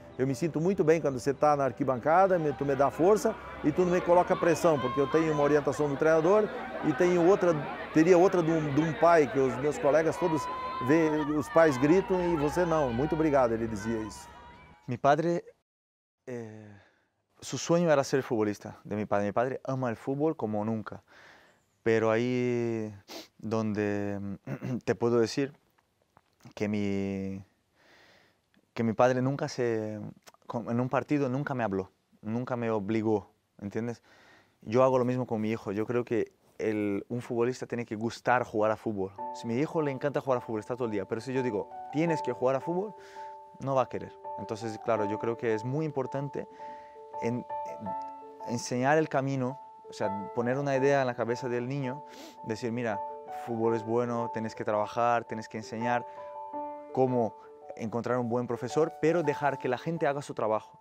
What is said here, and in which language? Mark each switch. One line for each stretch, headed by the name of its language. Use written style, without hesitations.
Portuguese: Eu me sinto muito bem quando você está na arquibancada, tu me dá força e tu não me coloca pressão, porque eu tenho uma orientação do treinador e teria outra de um pai, que os meus colegas todos vê, os pais gritam e você não. Muito obrigado, ele dizia isso. Meu padre é...
Spanish: Su sueño era ser futbolista, de mi padre. Mi padre ama el fútbol como nunca. Pero ahí donde te puedo decir que mi padre nunca se... En un partido nunca me habló, nunca me obligó, ¿entiendes? Yo hago lo mismo con mi hijo. Yo creo que un futbolista tiene que gustar jugar a fútbol. Si a mi hijo le encanta jugar a fútbol, está todo el día. Pero si yo digo, tienes que jugar a fútbol,
Portuguese: não vai querer. Então, claro, eu creio que é muito importante ensinar o caminho, ou seja, poner uma ideia na cabeça do niño, dizer, mira, futebol é bom, tens que trabalhar, tens que ensinar como encontrar um bom professor, mas deixar que a gente haga seu trabalho.